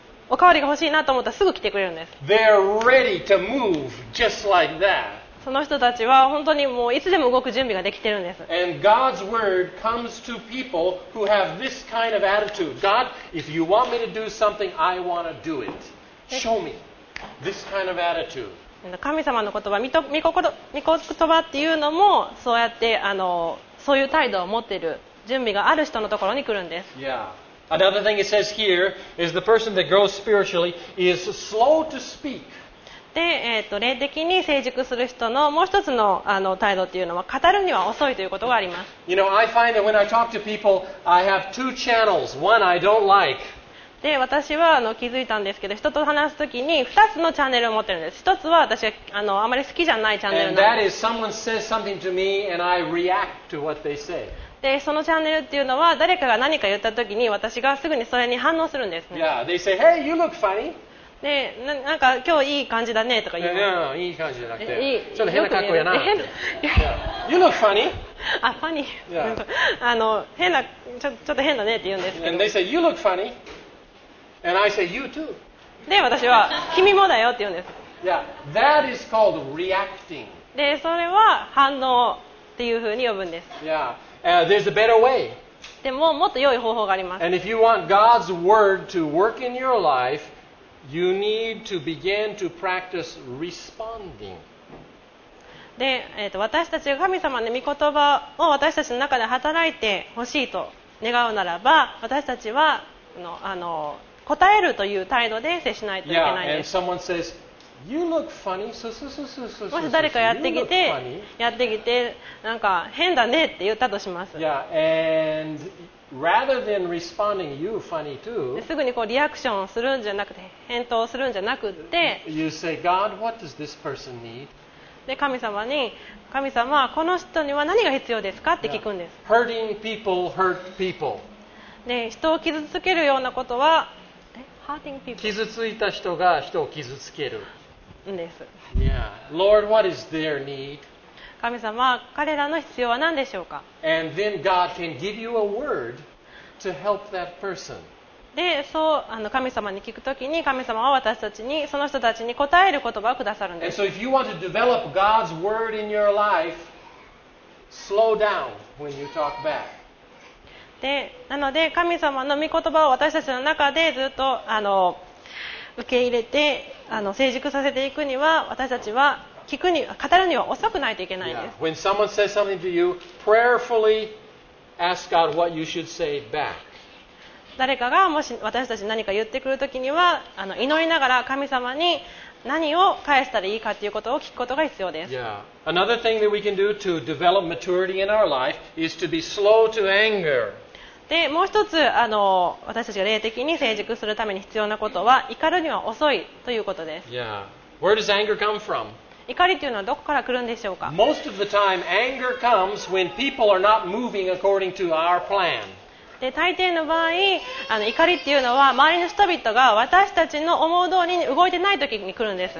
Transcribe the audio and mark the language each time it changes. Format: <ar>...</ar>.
<ja>おかわりが欲しいなと思ったらすぐ来てくれるんです。</ja> <en>They're ready to move just like that.</en> <ja>その人たちは本当にもういつでも動く準備ができてるんです。</ja> <en>And God's word comes to people who have this kind of attitude. God, if you want me to do something, I want to do it. Show me this kind of attitude.</en> <ja>神様の言葉、御言葉っていうのもそうやってそういう態度を持っている準備がある人のところに来るんです。</ja> <en>Yeah. Another thing it says here is the person that grows spiritually is slow to speak.</en> <ja>で、霊的に成熟する人のもう一つの態度というのは語るには遅いということがあります。</ja> <en>You know, I find that when I talk to people, I have two channels. One I don't like.</en> <ja>で、私は気づいたんですけど、人と話すときに二つのチャンネルを持ってるんです。一つは私があまり好きじゃないチャンネルなんです。</ja> <en>And that is someone says something to me and I react to what they say.</en> <ja>で、そのチャンネルっていうのは誰かが何か言ったときに私がすぐにそれに反応するんですね。</ja> <en>Yeah, they say, hey, you look funny.</en> <ja>で、なんか今日いい感じだねとか言う。 Yeah, いい感じじゃなくて。いい。ちょっと変な格好やな。変な。</ja> <en>Yeah. You look funny. あ、funny. Yeah.</en> <ja>変な、ちょっと変だねって言うんですけど。</ja> <en>And they say, you look funny. And I say, you too.</en> <ja>で、私は、君もだよって言うんです。</ja> <en>Yeah, that is called reacting.</en> <ja>で、それは反応っていうふうに呼ぶんです。</ja> <en>Yeah. There's a better way.</en> <ja>でも、もっと良い方法があります。</ja> <en>And if you want God's word to work in your life, you need to begin to practice responding.</en> <ja>で、私たちが神様の御言葉を私たちの中で働いてほしいと願うならば、私たちは答えるという態度で接しないといけないです。</ja> <en>Yeah, and someone says,You look funny. So, so, so, so, so,</en> <ja>もし誰かやってきてなんか変だねって言ったとします。</ja> <en>Yeah, and rather than responding, you funny too.</en> <ja>すぐにこうリアクションするんじゃなくて返答するんじゃなくて、</ja> <en>You say, God, what does this person need?</en> <ja>で神様はこの人には何が必要ですかって聞くんです。</ja> <en>Yeah. Hurting people hurt people.</en> <ja>で人を傷つけるようなことは。傷ついた人が人を傷つけるんです。</ja> <en>Yeah. Lord, what is their need?</en> <ja>神様、彼らの必要は何でしょうか?</ja> <en>And then God can give you a word to help that person.</en> <ja>で、そう、神様に聞くときに、神様は私たちに、その人たちに答える言葉をくださるんです。</ja> <en>And so if you want to develop God's word in your life, slow down when you talk back.</en> <ja>でなので神様の御言葉を私たちの中でずっと受け入れて成熟させていくには私たちは聞くに語るには遅くないといけないんです。</ja> <en>Yeah. When someone says something to you, prayerfully ask God what you should say back.</en> <ja>誰かがもし私たちに何か言ってくるときには祈りながら神様に何を返したらいいかということを聞くことが必要です。</ja> <en>Yeah. Another thing that we can do to develop maturity in our life is to be slow to anger.</en> <ja>で、もう一つ私たちが霊的に成熟するために必要なことは怒るには遅いということです。</ja> <en>Yeah. Where does anger come from?</en> <ja>怒りというのはどこから来るんでしょうか?</ja> <en>Most of the time, anger comes when people are not moving according to our plan.</en> <ja>で大抵の場合怒りっていうのは周りの人々が私たちの思う通りに動いてない時に来るんです。</ja>